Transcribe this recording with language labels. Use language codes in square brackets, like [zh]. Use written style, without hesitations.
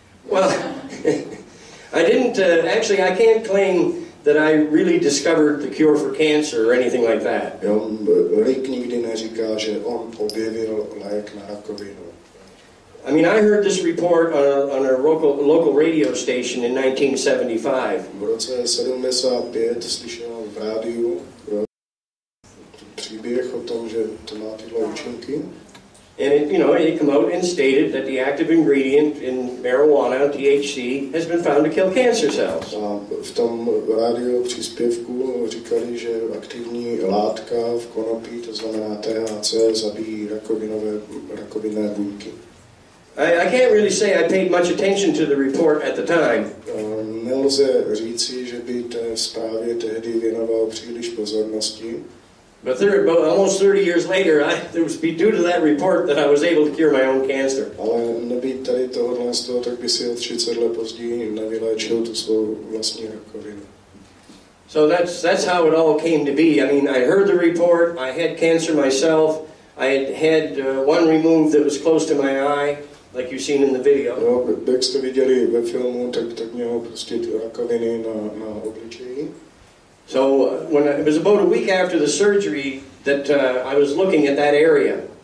[en] Well, I didn't, actually I can't claim that I really discovered the cure for cancer or anything like that. [cs] Rick nikdy neříká, že on objevil lék na rakovinu. [en] I mean, I heard this report on a local radio station in 1975. [cs] V roce 1975 slyšel v rádiu příběh o tom, že to má tyhle účinky. [en] And it came out and stated that the active ingredient in marijuana, THC, has been found to kill cancer cells. [cs] V tom rádiu příspěvku říkali, že aktivní látka v konopí, to znamená THC, zabíjí rakovinné buňky. [en] I can't really say I paid much attention to the report at the time. [cs] Nelze říci, že by té zprávě tehdy věnoval příliš pozornosti. [en] But almost 30 years later, it was due to that report that I was able to cure my own cancer. [cs] Ale nebýt tady tohohle z toho, tak by si 30 let později nevyléčil tu svou vlastní rakovinu. [en] So that's how it all came to be. I mean, I heard the report, I had cancer myself, I had one removed that was close to my eye, like you've seen in the video. [cs] No, jak jste viděli ve filmu, tak měl prostě ty rakoviny na obličeji. [en] So when it was about a week after the surgery that I was looking at that area.